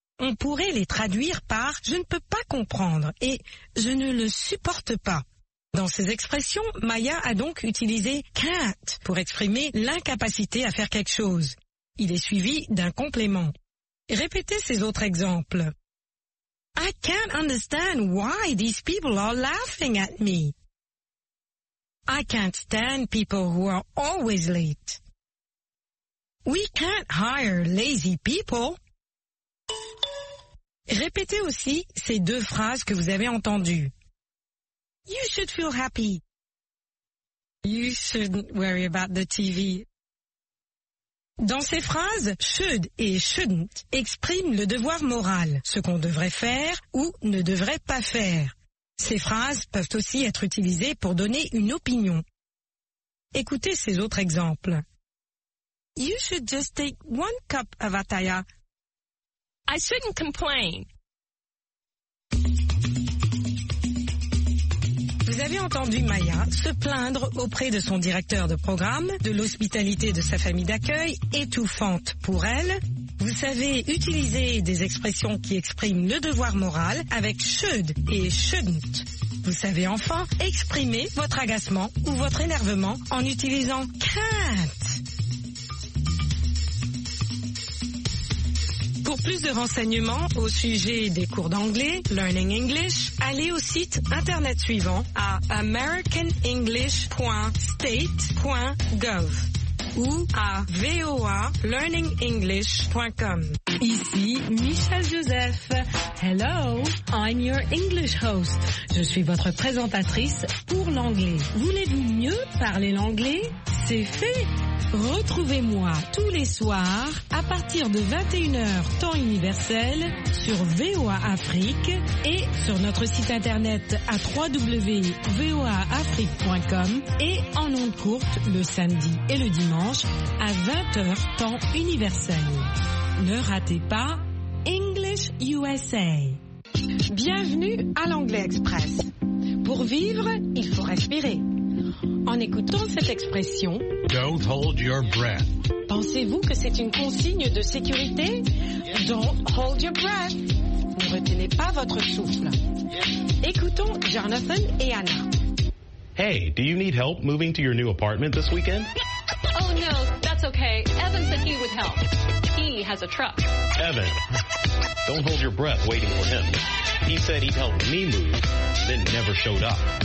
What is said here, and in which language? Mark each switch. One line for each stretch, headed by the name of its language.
French: On pourrait les traduire par « je ne peux pas comprendre » et « je ne le supporte pas ». Dans ces expressions, Maya a donc utilisé can't pour exprimer l'incapacité à faire quelque chose. Il est suivi d'un complément. Répétez ces autres exemples.
English: I can't understand why these people are laughing at me. I can't stand people who are always late. We can't hire lazy people.
French: Répétez aussi ces deux phrases que vous avez entendues.
English: You should feel happy. You shouldn't worry about the TV.
French: Dans ces phrases, should et shouldn't expriment le devoir moral, ce qu'on devrait faire ou ne devrait pas faire. Ces phrases peuvent aussi être utilisées pour donner une opinion. Écoutez ces autres exemples.
English: You should just take one cup of ataya. I shouldn't complain.
French: Vous avez entendu Maya se plaindre auprès de son directeur de programme de l'hospitalité de sa famille d'accueil étouffante pour elle. Vous savez utiliser des expressions qui expriment le devoir moral avec should et shouldn't. Vous savez enfin exprimer votre agacement ou votre énervement en utilisant can't. Pour plus de renseignements au sujet des cours d'anglais, Learning English, allez au site internet suivant à americanenglish.state.gov ou à voalearningenglish.com. Ici Michel Joseph.
English: Hello, I'm your English host.
French: Je suis votre présentatrice pour l'anglais. Voulez-vous mieux parler l'anglais? C'est fait! Retrouvez-moi tous les soirs à partir de 21h temps universel sur VOA Afrique et sur notre site internet à www.voaafrique.com et en ondes courtes le samedi et le dimanche à 20h temps universel. Ne ratez pas English USA. Bienvenue à l'Anglais Express. Pour vivre, il faut respirer. En écoutant cette expression,
English: don't hold your breath.
French: Pensez-vous que c'est une consigne de sécurité?
English: Don't hold your breath.
French: Ne retenez pas votre souffle. Écoutons Jonathan et Anna.
English: Hey, do you need help moving to your new apartment this weekend? Oh no, that's okay. Evan said he would help. He has a truck. Evan, don't hold your breath waiting for him. He said he'd help me move, then never showed up.